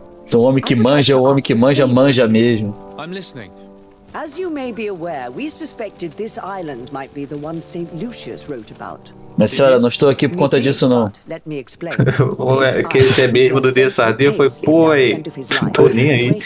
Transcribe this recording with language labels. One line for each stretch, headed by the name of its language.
Portuguese: Então, o homem que manja, o homem que manja, manja mesmo.
English: As you may be aware, we suspected this island might be the one Saint Lucius wrote about.
Portuguese: Mas senhora, não estou aqui por conta disso, não. Ué, que esse é mesmo do Desardinho foi, pô, tô nem aí.